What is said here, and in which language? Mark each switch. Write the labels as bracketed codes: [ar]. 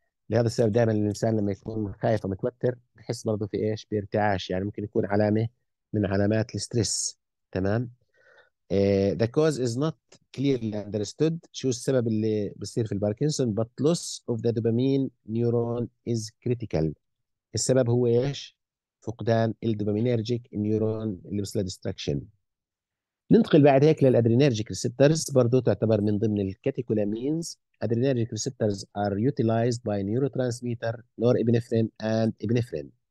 [ar] لهذا السبب دائما الانسان لما يكون خايف او متوتر بحس برضه في ايش؟ بارتعاش، يعني ممكن يكون علامه من علامات الستريس. تمام، [en] the cause is not clearly understood. [ar] شو السبب اللي بصير في الباركنسون؟ [en] but loss of the dopamine neuron is critical. [ar] السبب هو ايش؟ فقدان الدوبامينيرجيك نيورون اللي بصير لديستراكشن. ننتقل بعد هيك للادرينيرجيك ريسبترز، برضو تعتبر من ضمن الكاتيكولامينز. [en] Adrenergic receptors are utilized by neurotransmitter norepinephrine and epinephrine.